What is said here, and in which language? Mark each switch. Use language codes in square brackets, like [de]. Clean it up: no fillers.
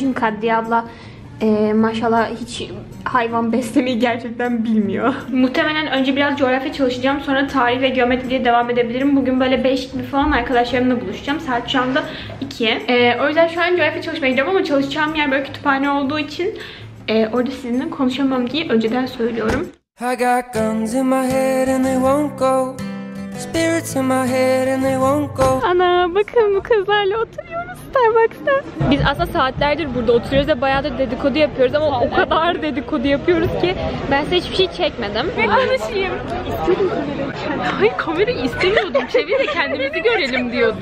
[tr] Çünkü Kadriye abla maşallah hiç hayvan beslemeyi gerçekten bilmiyor. Muhtemelen önce biraz coğrafya çalışacağım, sonra tarih ve geometri diye devam edebilirim. Bugün böyle 5 gibi falan arkadaşlarımla buluşacağım. Saat şu anda 2. O yüzden şu an coğrafya çalışmaya gidiyorum ama çalışacağım yer böyle kütüphane olduğu için orada sizinle konuşamam diye önceden söylüyorum. [en] I got guns in my head and they won't go. Spirits in my head and they won't go. [tr] Ana bakın bu kızlarla oturuyoruz Starbucks'ta. Biz aslında saatlerdir burada oturuyoruz ve bayağı da dedikodu yapıyoruz ama o kadar dedikodu yapıyoruz ki ben size hiçbir şey çekmedim. Ne konuşayım? İstemiyordum kamerayı. Hayır kamerayı istemiyordum. Çevir de kendimizi görelim diyordum.